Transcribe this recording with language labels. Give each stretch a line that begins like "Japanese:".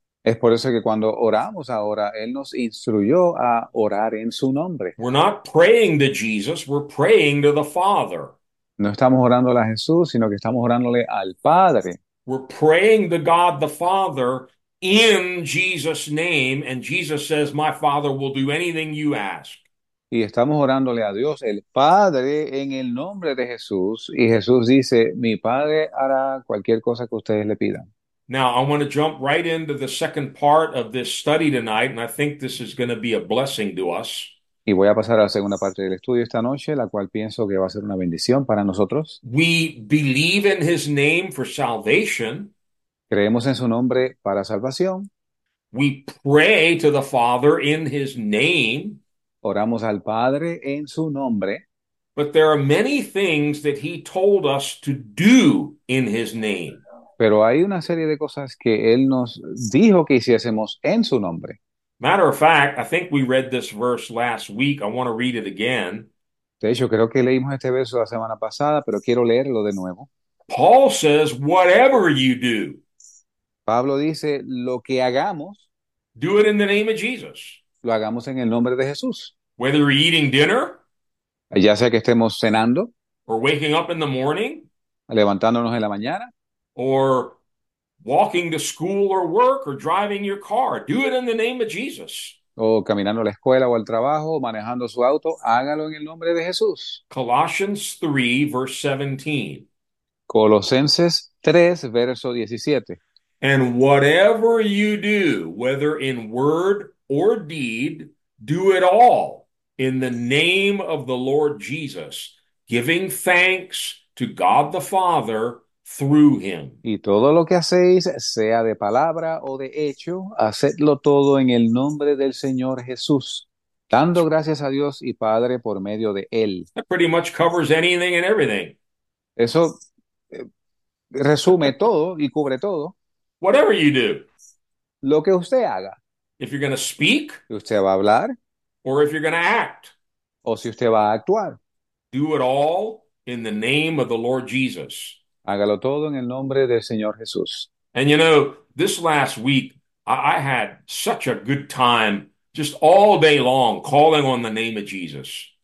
Spanish: Es por eso que cuando oramos ahora, Él nos instruyó a orar en su nombre.
English: We're not praying to Jesus, we're praying to the Father.
Spanish: No estamos orando a Jesús, sino que estamos orándole al Padre.
English: We're praying to God the Father. In Jesus' name, and Jesus says, My Father will do anything you ask.
Spanish: Y estamos orándole a Dios, el Padre, en el nombre de Jesús. Y Jesús dice, mi Padre hará cualquier cosa que ustedes le pidan.
English: Now, I want to jump right into the second part of this study tonight, and I think this is going to be a blessing to us.
Spanish: Y voy a pasar a la segunda parte del estudio esta noche, la cual pienso que va a ser una bendición para nosotros.
English: We believe in his name for salvation.
Spanish: Creemos en su nombre para salvación.
English: We pray to the Father in his name.
Spanish: Oramos al Padre en su nombre.
English: But there are many things that he told us to do in his name.
Spanish: Pero hay una serie de cosas que Él nos dijo que hiciésemos en su nombre.
English: Matter of fact, I think we read this verse last week. I want to read it again.
Spanish: De hecho, creo que leímos este verso la semana pasada, pero quiero leerlo de nuevo.
English: Paul says, whatever you do.
Spanish: Pablo dice, lo que hagamos.
English: Do it in the name of Jesus.
Spanish: Lo hagamos en el nombre de Jesús.
English: Whether you're eating dinner
Spanish: Ya sea que estemos cenando,
English: or waking up in the morning
Spanish: levantándonos en la mañana.
English: or walking to school or work or driving your car, do it in the name of Jesus.
Spanish: O caminando a la escuela o al trabajo, o manejando su auto, hágalo en el nombre de Jesús.
English: Colossians 3, verse 17.
Spanish: Colosenses 3, verso 17.
English: And whatever you do, whether in word or deed, do it all in the name of the Lord Jesus, giving thanks to God the Father through him.
Spanish: Y todo lo que hacéis, sea de palabra o de hecho, hacedlo todo en el nombre del Señor Jesús, dando gracias a Dios y Padre por medio de Él.
English: That pretty much covers anything and everything.
Spanish: Eso resume todo y cubre todo.
English: Whatever you do,
Spanish: Lo que usted haga,
English: if you're going to speak
Spanish: usted va a hablar,
English: or if you're going to act,
Spanish: o si usted va a actuar.
English: do it all in the name of the Lord Jesus.
Spanish: Hágalo todo en el nombre del Señor Jesús.
English: And you know, this last week, I had such a good time just all day long calling on the name of Jesus.